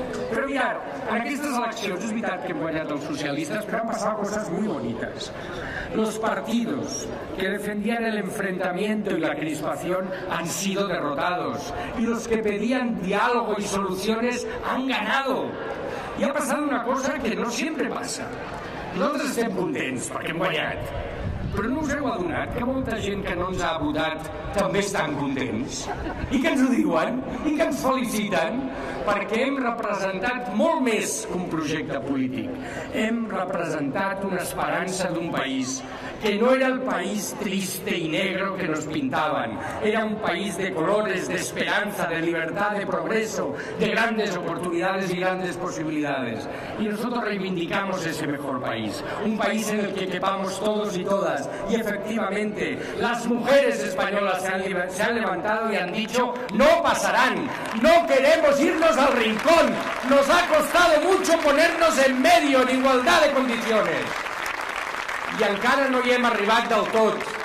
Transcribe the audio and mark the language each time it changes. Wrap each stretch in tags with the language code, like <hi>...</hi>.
<es>Pero mirad, en estas elecciones es verdad que han ganado los socialistas, pero han pasado cosas muy bonitas. Los partidos que defendían el enfrentamiento y la crispación han sido derrotados, y los que pedían diálogo y soluciones han ganado. Y ha pasado una cosa que no siempre pasa.</es> <ca>Nosotros estem contents perquè hem guanyat. Però no us heu adonat que molta gent que no ens ha votat també estan contents? I que ens ho diuen? I que ens feliciten? perquè hem representat molt més que un projecte polític. Hem representat una esperança d'un país que no era el país</ca> <es>triste i negro que nos</es> <ca>pintaven.</ca> <es>Era un país de colores, de esperanza, de libertad, de progreso, de grandes oportunidades y grandes posibilidades. Y nosotros reivindicamos ese mejor país. Un país en el que quepamos todos y todas. Y efectivamente, las mujeres españolas se han levantado y han dicho, no pasarán, no queremos irnos al rincón. Nos ha costado mucho ponernos en medio, en igualdad de condiciones.</es> <ca>I encara no hi hem arribat del tot.</ca>